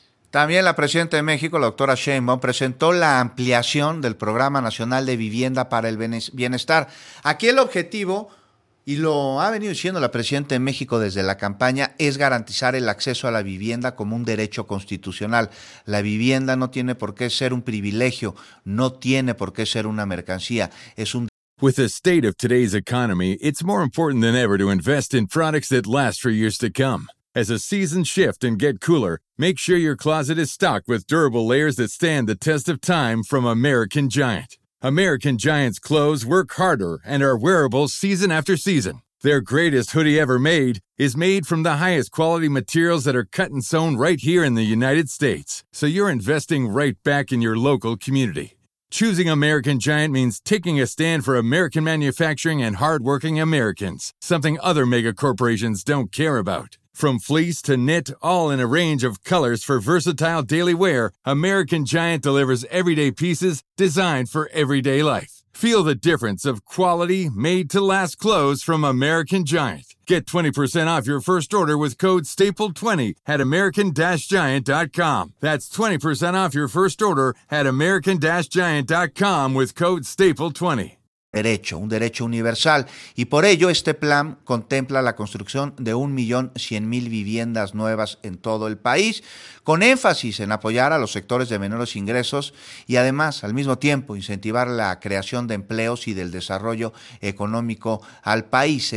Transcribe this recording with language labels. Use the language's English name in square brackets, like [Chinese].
[Spanish] También la presidenta de México, la doctora Sheinbaum, presentó la ampliación del Programa Nacional de Vivienda para el Bienestar. Aquí el objetivo, y lo ha venido diciendo la presidenta de México desde la campaña, es garantizar el acceso a la vivienda como un derecho constitucional. La vivienda no tiene por qué ser un privilegio, no tiene por qué ser una mercancía, es un... [English] With the state of today's economy, it's more important than ever to invest in products that last for years to come. As a season shift and get cooler, make sure your closet is stocked with durable layers that stand the test of time from American Giant. American Giant's clothes work harder and are wearable season after season. Their greatest hoodie ever made is made from the highest quality materials that are cut and sewn right here in the United States. So you're investing right back in your local community. Choosing American Giant means taking a stand for American manufacturing and hardworking Americans, something other mega corporations don't care about. From fleece to knit, all in a range of colors for versatile daily wear, American Giant delivers everyday pieces designed for everyday life. Feel the difference of quality, made-to-last clothes from American Giant. Get 20% off your first order with code STAPLE20 at American-Giant.com. That's 20% off your first order at American-Giant.com with code STAPLE20. [Spanish] Derecho, un derecho universal, y por ello este plan contempla la construcción de 1,100,000 viviendas nuevas en todo el país, con énfasis en apoyar a los sectores de menores ingresos y además, al mismo tiempo, incentivar la creación de empleos y del desarrollo económico al país.